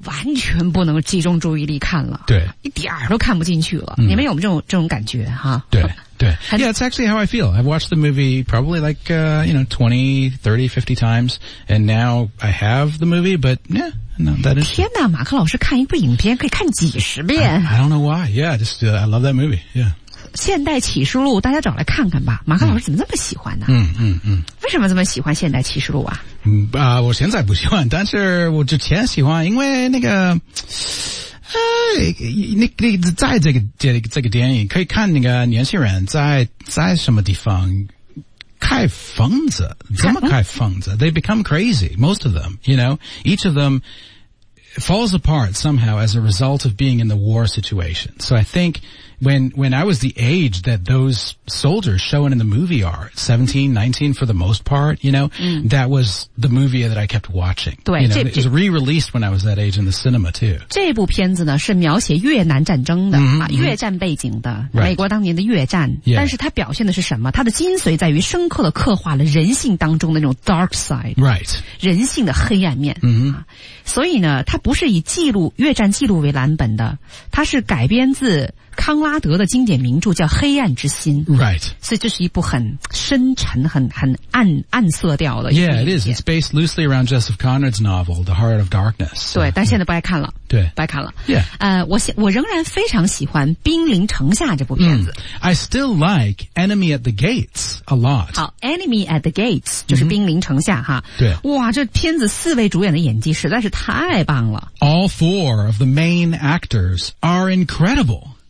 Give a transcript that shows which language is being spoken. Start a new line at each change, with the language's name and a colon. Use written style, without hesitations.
Chinese: 完全不能集中注意力看了对一点儿都看不进去了、嗯、你们有这种感觉哈对对
English: Yeah, it's actually how I feel. I've watched the movie probably like, you know, 20, 30, 50 times, and now I have the movie, but yeah, no, that is...
Chinese: 天哪马克老师看一部影片可以看几十遍
English: I don't know why. Yeah, just, I love that movie. Yeah.
Chinese: 现代启示录大家找来看看吧马克老师怎么这么喜欢呢嗯嗯 嗯。为什么这么喜欢现代启示录啊嗯啊、我现在不喜欢但是我之前喜欢因为那个你在这个电影可以看那个年轻人在什么地方开疯子怎么开疯子
English: they become crazy, most of them, you know, each of them falls apart somehow as a result of being in the war situation. So I think,When I was the age that those soldiers shown in the movie are, 17, 19 for the most part, you know,、嗯、 that was the movie that I kept watching.
Chinese: 对
English: you know, it was re-released when I was that age in the cinema too.
Chinese: 这部片子呢是描写越南战争的、 mm-hmm. 啊、越战背景的、
English: right.
Chinese: 美国当年的越战、
English: yeah.
Chinese: 但是它表现的是什么它的精髓在于深刻的刻画了人性当中的那种 dark side.
English: Right.
Chinese: 人性的黑暗面、 mm-hmm. 啊、所以呢它不是以记录越战记录为蓝本的，它是改编自康拉德的经典名著叫《黑暗之心》。
English: Right.
Chinese: 所以这是一部很深沉、很暗色调的。
English: Yeah, it is. It's based loosely around Joseph Conrad's novel, The Heart of Darkness.
Chinese: 对，但现在不爱看了。对，不爱看了。
English: Yeah.
Chinese: 我仍然非常喜欢《兵临城下》这部片子。 Mm.
English: I still like Enemy at the Gates a lot.
Chinese: 好，《Enemy at the Gates》就是《兵临城下》哈。对。哇，这片子四位主演的演技实在是太棒了。
English: All four of the main actors are incredible.